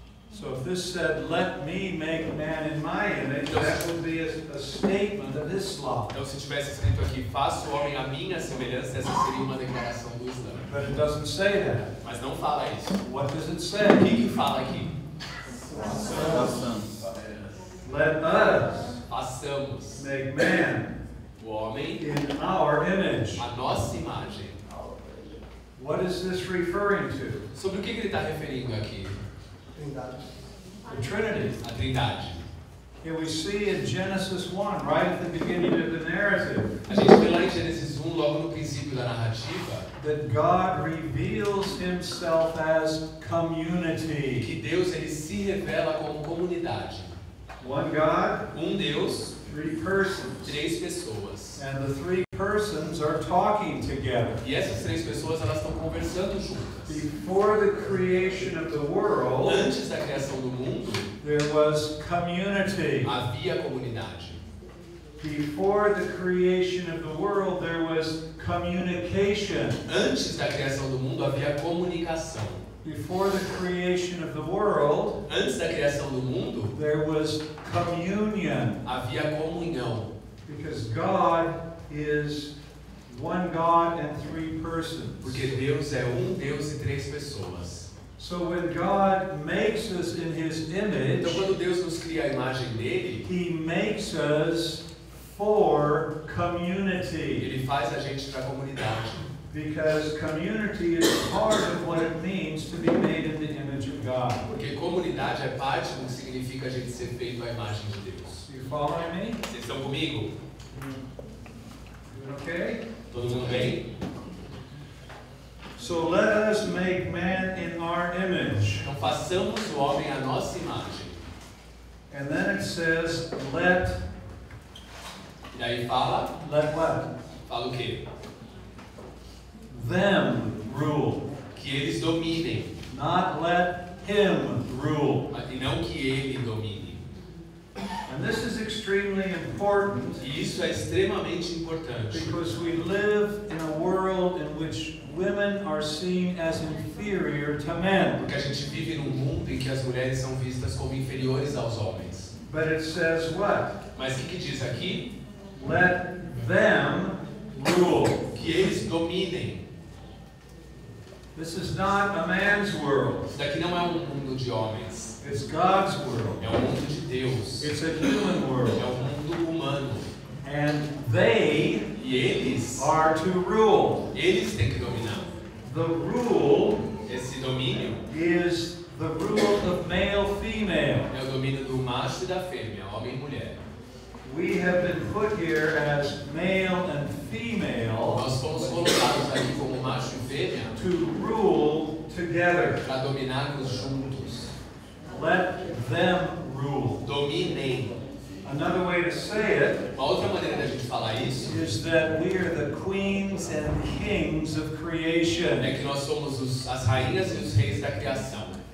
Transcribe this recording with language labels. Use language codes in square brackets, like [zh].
[en] So if this said, "Let me make man in my image," that would be a statement of Islam. [pt] Então, se tivesse escrito aqui, "Faça o homem à minha semelhança," essa seria uma declaração do Islã. [en] But it doesn't say that. [pt] Mas não fala isso. [en] What does it say? [pt] O que fala aqui? Façamos. [en] Let us. [pt] Façamos. [en] Make man. [pt] O homem. [en] In our image. [pt] A nossa imagem. [en] What is this referring to? [pt] Sobre o que ele está referindo aqui? [en] The Trinity. [pt] A Trindade. [en] Here we see in Genesis 1, right at the beginning of the narrative. [pt] A gente vê lá em Gênesis 1, logo no princípio da narrativa. [en] That God reveals himself as community. [pt] Que Deus ele se revela como comunidade. [en] One God. [pt] Um Deus. [en] Three persons. [pt] Três pessoas. [en] And the three persons are talking together. [pt] E essas três pessoas elas estão conversando juntas. [en] Before the creation of the world, [pt] antes da criação do mundo, [en] there was community. [pt] Havia comunidade. [en] Before the creation of the world, there was communication. [pt] Antes da criação do mundo havia comunicação. [en] Before the creation of the world, [pt] antes da criação do mundo, [en] there was communion. [pt] Havia comunhão. [en] Because God is one God and three persons. [pt] Porque Deus é um Deus e três pessoas. [en] So when God makes us in his image, [pt] então quando Deus nos cria a imagem dele, [en] he makes us for community. [pt] Ele faz a gente para a comunidade. [en] Because community is part of what it means to be made in the image of God. [pt] Porque comunidade é parte do que significa a gente ser feito à imagem de Deus. [en] You following me? [pt] Vocês estão comigo? [en] Okay? [pt] Todo mundo bem? [en] So let us make man in our image. [pt] Então façamos o homem à nossa imagem. [en] And then it says, let. [pt] E aí fala? [en] Let what? [pt] Fala o quê? [en] Them rule. [pt] Que eles dominem. [en] Not let him rule. [pt] E não que ele domine. [en] And this is extremely important. [pt] E isso é extremamente importante. [en] Because we live in a world in which women are seen as inferior to men. [pt] Porque a gente vive num mundo em que as mulheres são vistas como inferiores aos homens. [en] But it says what? [pt] Mas o que diz aqui? [en] Let them rule. [pt] Que eles dominem. [en] This is not a man's world. [pt] Isso daqui não é um mundo de homens. [en] It's God's world. [pt] É um mundo de Deus. [en] It's a human world. [pt] É um mundo humano. [en] And they, [pt] e eles, [en] are to rule. [pt] Eles têm que dominar. [en] The rule, [pt] esse domínio, [en] is the rule of male-female. [pt] É o domínio do macho e da fêmea, homem e mulher. [en] We have been put here as male and female. [pt] Nós fomos colocados aqui como macho e fêmea. [en] To rule together. [pt] Para dominarmos juntos. [en] Let them rule. [pt] Dominem. [en] Another way to say it. [pt] Uma outra maneira da gente falar isso. [en] Is that we are the queens and kings of creation. [pt] É que nós somos as rainhas e os reis da criação.